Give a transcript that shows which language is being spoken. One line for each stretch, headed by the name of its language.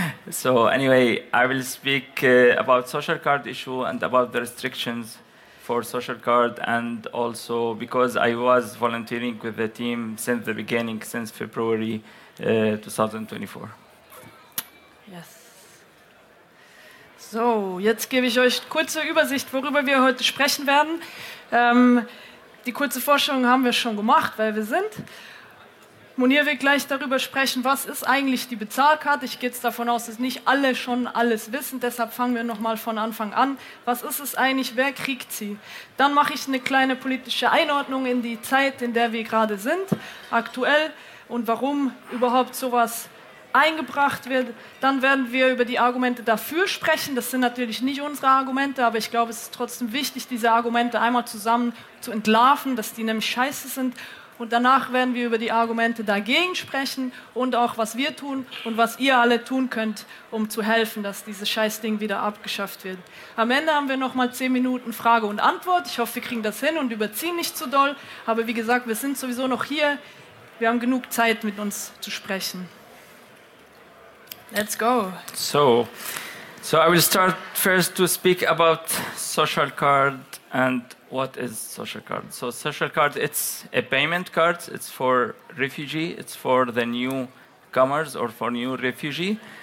English: So anyway, I will speak about social card issue and about the restrictions for social card, and also because I was volunteering with the team since the beginning, since February 2024.
German: So, jetzt gebe ich euch kurze Übersicht, worüber wir heute sprechen werden. Die kurze Vorstellung haben wir schon gemacht, weil wir sind. Munir wird gleich darüber sprechen, was ist eigentlich die Bezahlkarte. Ich gehe davon aus, dass nicht alle schon alles wissen. Deshalb fangen wir nochmal von Anfang an. Was ist es eigentlich? Wer kriegt sie? Dann mache ich eine kleine politische Einordnung in die Zeit, in der wir gerade sind, aktuell. Und warum überhaupt sowas eingebracht wird, dann werden wir über die Argumente dafür sprechen. Das sind natürlich nicht unsere Argumente, aber ich glaube, es ist trotzdem wichtig, diese Argumente einmal zusammen zu entlarven, dass die nämlich scheiße sind. Und danach werden wir über die Argumente dagegen sprechen und auch, was wir tun und was ihr alle tun könnt, um zu helfen, dass dieses Scheißding wieder abgeschafft wird. Am Ende haben wir nochmal 10 Minuten Frage und Antwort. Ich hoffe, wir kriegen das hin und überziehen nicht zu doll. Aber wie gesagt, wir sind sowieso noch hier. Wir haben genug Zeit, mit uns zu sprechen.
English: Let's go. So I will start first to speak about social card and what is social card. So social card, it's a payment card. It's for refugee. It's for the newcomers or for new refugee.